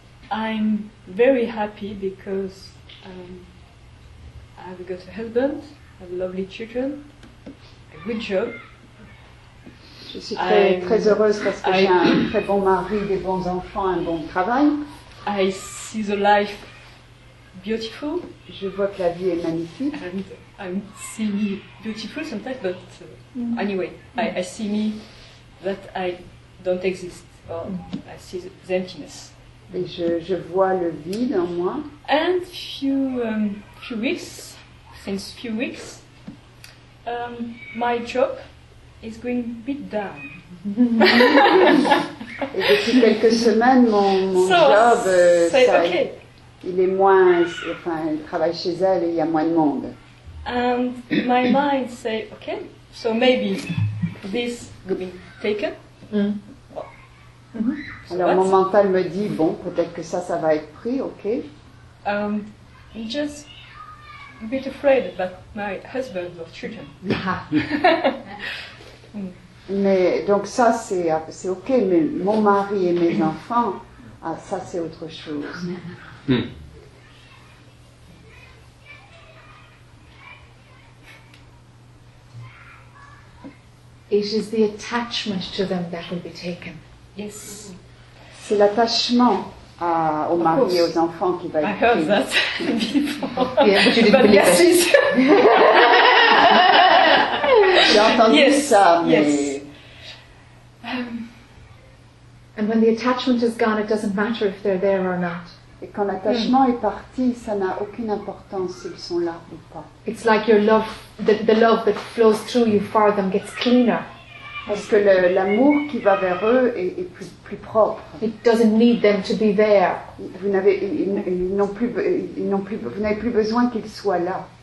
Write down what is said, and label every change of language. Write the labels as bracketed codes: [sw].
[en] I'm very happy because I've got a husband, I have lovely children, a good job. [fr] Je suis très heureuse parce que j'ai un très bon mari, des bons enfants, un bon travail. [en] I see the life beautiful. [fr] Je vois que la vie est magnifique. [en] And I see me beautiful sometimes, but anyway, I see me that I don't exist. Or I see the emptiness. [fr] Et je vois le vide en moi. [en] And since few weeks, my job. It's going a bit down. [fr] Et depuis quelques semaines, mon job, [en] say, [fr] ça, [en] okay. [fr] il est moins, enfin, elle travaille chez elle et il y a moins de monde. [en] And my mind say, okay, so maybe this could be taken. Mm-hmm. [fr] Alors so mon mental me dit, bon, peut-être que ça, ça va être pris, okay. [en] Just a bit afraid about my husband or children. [fr] Mais donc ça c'est ok, mais mon mari et mes enfants, ah, ça c'est autre chose. [en] It is the attachment to them that will be taken. Yes. [fr] C'est l'attachement à, au mari et aux enfants qui va être pris. [en] I heard [fr] pris. [en] That before. But yes, it's... [fr] J'ai entendu yes. ça, mais... Yes. [en] And when the attachment is gone, it doesn't matter if they're there or not. [fr] Et quand l'attachement est parti, ça n'a aucune importance s'ils sont là ou pas. [en] It's like your love, the love that flows through you for them gets cleaner. [fr] Parce que l'amour qui va vers eux est plus propre. [en] It doesn't need them to be there. [fr] Vous n'avez ils n'ont plus besoin qu'ils soient là.